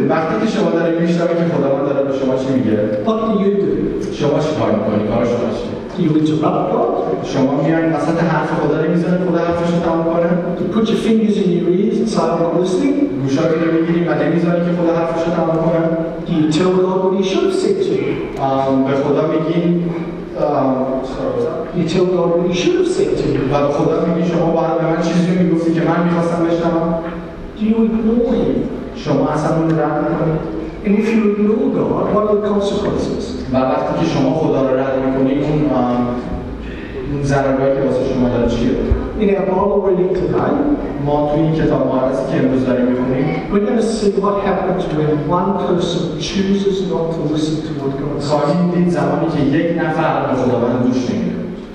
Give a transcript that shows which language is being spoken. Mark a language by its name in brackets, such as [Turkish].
[Persian] وقتی که شما دارید میشنوید که خداوند داره با شما چی میگه؟ [English] What do you do? [Persian] شما چی کار میکنید؟ کار شما چی؟ [English] You interrupt God. [Persian] شما میایید وسط حرف خدا رو میزنید، خدا حرفش رو تمام کنه. [English] You put your fingers in your ears and say, I'm listening. [Persian] گوشاتی رو میگیریم و نمیذاری که خدا حرفش رو تمام کنه. [English] Do you tell God what he should have said to you? [Persian] به خدا میگیم [English] You tell God what he should have said to you. [Persian] و به خدا میگی شما باید به من چیزی رو میگفتی که من میخواستم بشنوم. [English] Do you ignore him? [Persian] شما اصلا اون رو رد میکنید. [English] And if you ignore God, what are the consequences? [Persian] و وقتی که شما خدا رو رد میکنید اون ضررهایی که واسه شما داره چیه؟ [English] In our Bible reading today, [Persian] ما توی این کتاب مقدسی که امروز داریم می‌خونیم, [English] we're going to see what happens when one person chooses not to listen to what God says. [Persian] خواهیم دید زمانی که یک نفر به خداوند گوش نمی‌کنه.